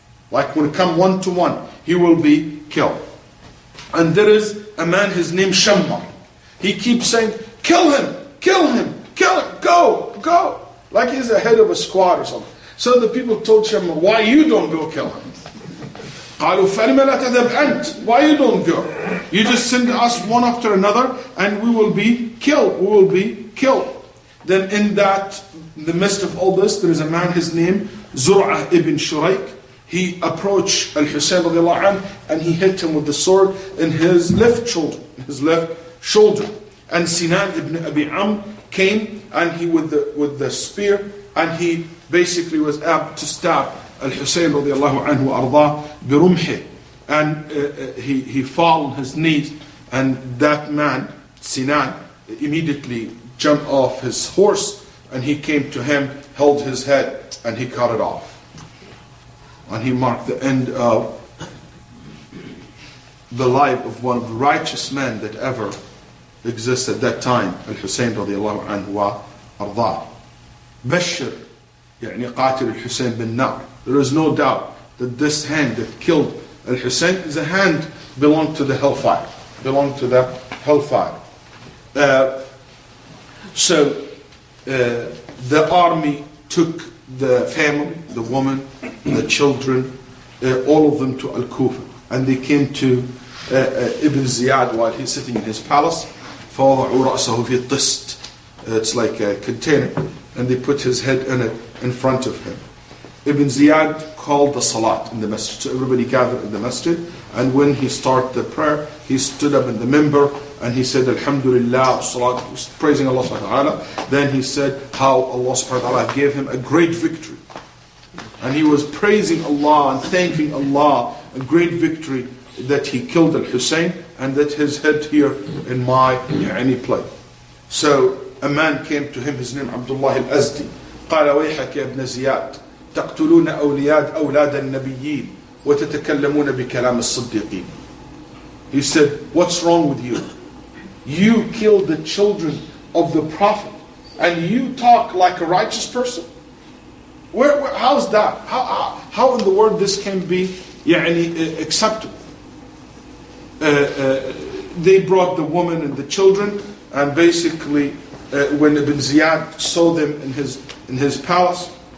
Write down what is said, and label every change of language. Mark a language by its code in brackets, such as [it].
[en] Like when it comes one to one, he will be killed. And there is a man, his name Shammar. He keeps saying, kill him, kill him, kill him, go, go. Like he's the head of a squad or something. So the people told Shammar, why you don't go kill him? [ar] قَالُوا فَلِمَ لَا تَذَبْ أَنْتَ [en] Why you don't go? You just send us one after another and we will be killed, we will be killed. Then in that, in the midst of all this, there is a man, his name, Zur'ah ibn Shuraik. He approached Al-Husayn radiallahu anhu and he hit him with the sword in his left shoulder, And Sinan ibn Abi Amr came and he with the spear and he basically was able to stab Al-Husayn radiallahu anhu [ar] arda birumhi. [en] And he fell on his knees and that man, Sinan, immediately jumped off his horse and he came to him, held his head and he cut it off. And he marked the end of the life of one of the righteous men that ever existed at that time, Al-Husayn radiallahu anhu wa arda. [ar] Bashir, يعني قاتل الحسين بن نار. [en] There is no doubt that this hand that killed Al-Husayn is a hand belonged to the hellfire. Belonged to the hellfire. So the army took the family, the woman, the children, all of them to Al-Kufa. And they came to Ibn Ziyad while he's sitting in his palace. [ar] فَوَضَعُوا رَأْسَهُ فِي الطِّسْتْ [en] It's like a container. And they put his head in it in front of him. Ibn Ziyad called the Salat in the masjid. So everybody gathered in the masjid. And when he started the prayer, he stood up in the minbar and he said, Alhamdulillah, Salat, praising Allah subhanahu wa ta'ala. Then he said how Allah subhanahu wa ta'ala gave him a great victory. And he was praising Allah and thanking Allah, a great victory that he killed Al-Husayn and that his head here in my any place. So a man came to him, his name Abdullah al-Azdi. [ar] قَالَ وَيْحَكَ يَبْنَ زِيَادٍ تَقْتُلُونَ أَوْلِيَادَ أَوْلَادَ النَّبِيِّينَ وَتَتَكَلَّمُونَ بِكَلَامِ الصِّدِّيقِينَ [en] He said, what's wrong with you? You killed the children of the Prophet and you talk like a righteous person? How's that? How in the world this can be acceptable? They brought the woman and the children, and basically when Ibn Ziyad saw them in his in his palace.